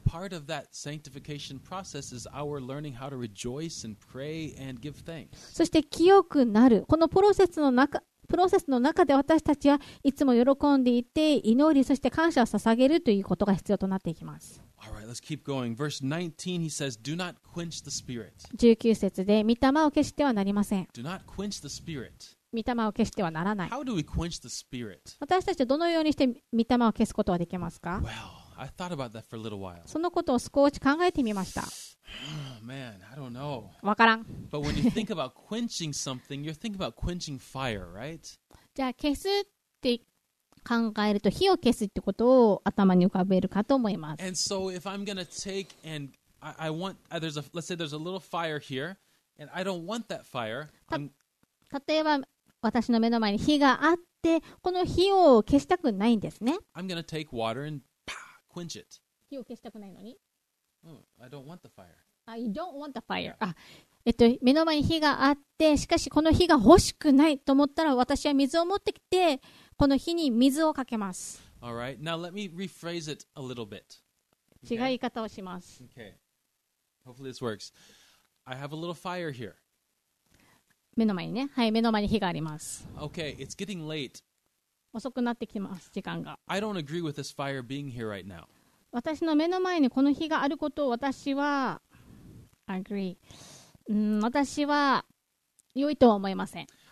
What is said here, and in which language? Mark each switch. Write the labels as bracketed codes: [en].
[en] Part of that sanctification process is our learning how to rejoice and pray and give thanks. [ja] そして清くなる、このプロセスの中で私たちはいつも喜んでいて祈り、そして感謝を捧げるということが必要となっていきます。 [en] Alright, let's keep going. Verse 19, he says, Do not quench the spirit. [ja] 19節で、御霊を消してはなりません。 [en] Do not quench the spirit. [ja] 御霊を消してはならない。 [en] How do we quench the spirit? [ja] 私たちはどのようにして御霊を消すことはできますか? [en] Well, I thought about that for a little while. [ja] そのことを少し考えてみました。 [en] Man, I don't know. [ja] わからん。 [en] But when you think about quenching something, you're thinking about quenching fire, right? [ja] じゃあ消すって考えると火を消すってことを頭に浮かべるかと思います。 [en] And so if I'm going to take and I want, there's a, let's say there's a little fire here, and I don't want that fire. [ja] 例えば私の目の前に火があって、この火を消したくないんですね。 [en] I'm going to take water and pow, quench it. [ja] 火を消したくないのに。 [en] I don't want the fire. I don't want the fire.、Yeah. [ja] 目の前に火があって、しかしこの火が欲しくないと思ったら私は水を持ってきて、この火に水をかけます。 [en] All right. Now let me rephrase it a little bit. [ja] 違う言い方をします。 [en] Okay. Hopefully this works. I have a little fire here. [ja] 目の前にね。はい、目の前に火があります。 [en] Okay. It's getting late. [ja] 遅くなってきます、時間が。 [en] I don't agree with this fire being here right now. [ja] 私の目の前にこの火があることを私は [en] agree. [ja] 私は良いとは思いません。